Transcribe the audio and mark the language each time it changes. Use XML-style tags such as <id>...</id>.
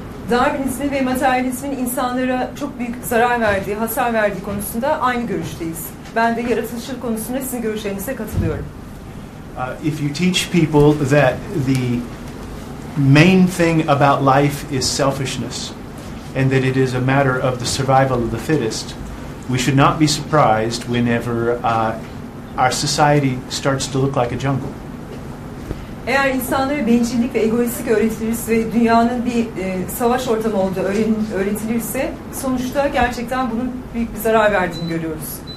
<tr>Darwinizmin ve materyalizmin insanlara çok büyük zarar verdiği, hasar verdiği konusunda aynı görüşteyiz. Ben de yaratılışçılık konusunda sizin görüşlerinize katılıyorum.</tr> <en>If you teach people that the main thing about life is selfishness and that it is a matter of the survival of the fittest, we should not be surprised whenever our society starts to look like a jungle.</en> <tr>Eğer insanlara bencillik ve egoistlik öğretilirse ve dünyanın bir savaş ortamı olduğu öğretilirse, sonuçta gerçekten bunun büyük bir zarar verdiğini görüyoruz.</tr>